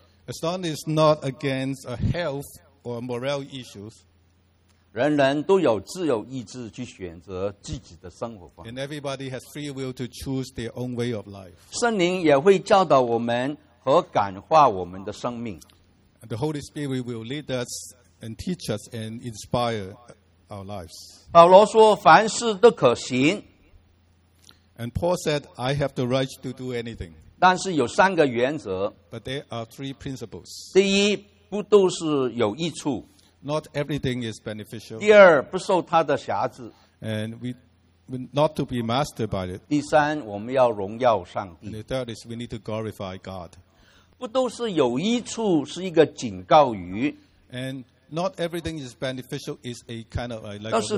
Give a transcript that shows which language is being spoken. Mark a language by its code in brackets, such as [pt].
[en] as long as it's not against a health or moral issues, [zh] 人人都有自由意志去选择自己的生活方式, [en] and everybody has free will to choose their own way of life. [zh] 圣灵也会教导我们和感化我们的生命, [en] and the Holy Spirit will lead us and teach us and inspire our lives. [zh] 保罗说凡事都可行, [en] and Paul said, I have the right to do anything. [zh] 但是有三个原则, [en] but there are three principles. [zh] 第一,不都是有益处, [en] not everything is beneficial. [zh] 第二,不受他的辖制, [en] and we not to be mastered by it. [zh] 第三,我们要荣耀上帝, [en] and the third is we need to glorify God. [zh] 不都是有益处,是一个警告语, [en] and not everything is beneficial is a kind of like a